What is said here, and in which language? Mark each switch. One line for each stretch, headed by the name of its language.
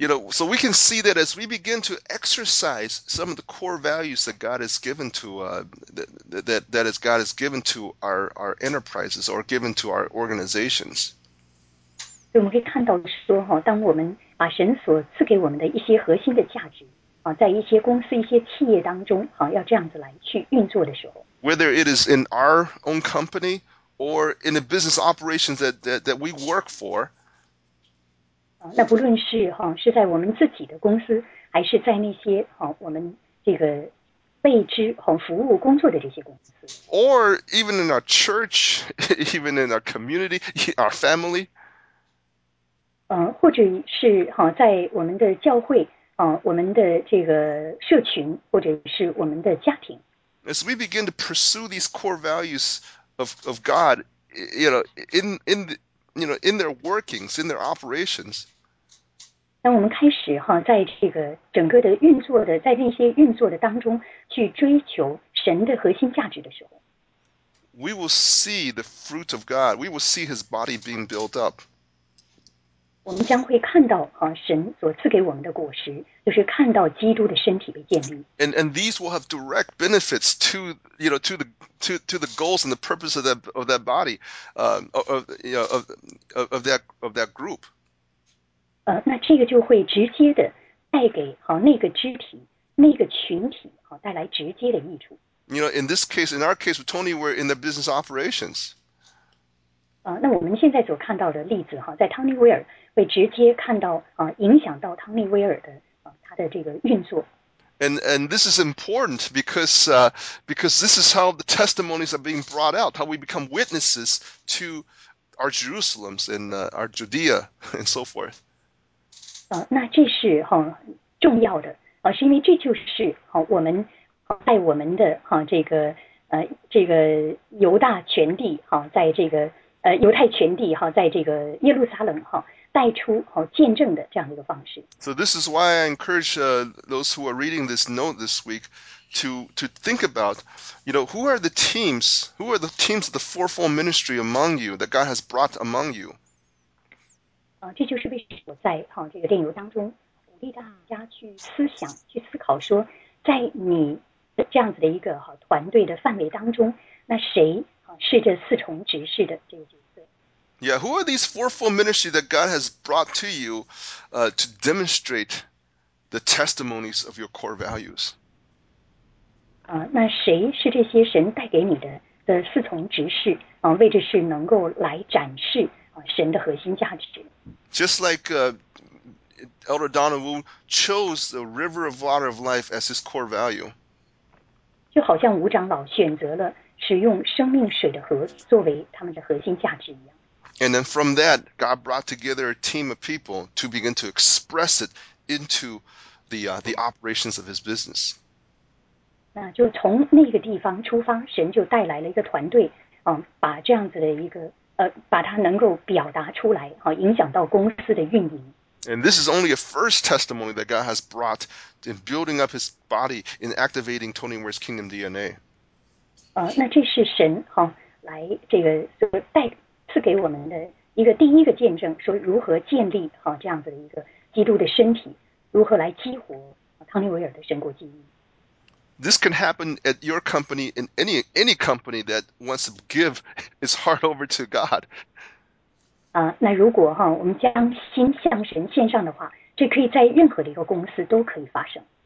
English: So we can see that as we begin to exercise some of the core values that God has given to that God has given to our enterprises or given to our organizations.
Chinese: 所以我们可以看到说哈，当我们把神所赐给我们的一些核心的价值在一些公司、一些企业当中要这样子来去运作的时候
English: ，whether it is in our own company or in the business operations that we work for.
Chinese: 那不论是是在我们自己的公司，还是在那些我们这个被支服务工作的这些公司
English: ，or even in our church, even in our community, our family，
Chinese: 或者是在我们的教会我们的这个社群，或者是我们的家庭。
English: As we begin to pursue these core values of God, in their workings, in their operations.
Chinese: 当我们开始在这个整个的运作的，在那些运作的当中去追求神的核心价值的时候
English: ，We will see the fruit of God. We will see His body being built up.
Chinese: 我们将会看到神所赐给我们的果实，就是看到基督的身体被建立。
English: And these will have direct benefits to the goals and the purpose of that body, of that group.
Chinese: 那这个就会直接的带给那个肢体、那个群体带来直接的益处。
English: You know, in this case, in our case with Tony, we're in the business operations.
Chinese: 那我们现在所看到的例子在 Tony Ware 会直接看到影响到 Tony Ware 的他的这个运作。
English: And this is important because this is how the testimonies are being brought out, how we become witnesses to our Jerusalems and our Judea and so forth.
Chinese: 那这是重要的是因为这就是我们在我们的这个犹大全地在这个犹太全地在这个耶路撒冷带出见证的这样的一个方式。
English: So this is why I encourage those who are reading this note this week to think about, you know, who are the teams of the fourfold ministry among you that God has brought among you.
Chinese: 这就是为什么我在这个电邮当中鼓励大家去思想、去思考说，在你这样子的一个团队的范围当中，那谁是这四重执事的这个角色？
English: Yeah, who are these fourfold ministries that God has brought to you to demonstrate the testimonies of your core values?
Chinese: 那谁是这些神带给你的四重执事为的是能够来展示神的核心价值。
English: Just like Elder Donald Wu chose the river of water of life as his core value.
Chinese: 就好像吴长老选择了使用生命水的河作为他们的核心价值一样。
English: And then from that, God brought together a team of people to begin to express it into the operations of His business.
Chinese: 那就从那个地方出发，神就带来了一个团队，把这样子的一个把它能够表达出来，影响到公司的运营。
English: And this is only a first testimony that God has brought in building up His body in activating Tony Ware's kingdom DNA.
Chinese: 那这是神来这个所带。赐给我们的一个第一个见证，说如何建立这样子的一个基督的身体，如何来激活汤尼维尔的神国记忆。
English: This can happen at your company in any company that wants to give its heart over to God.
Chinese: 那如果我们将心向神献上的话，这可以在任何的一个公司都可以发生。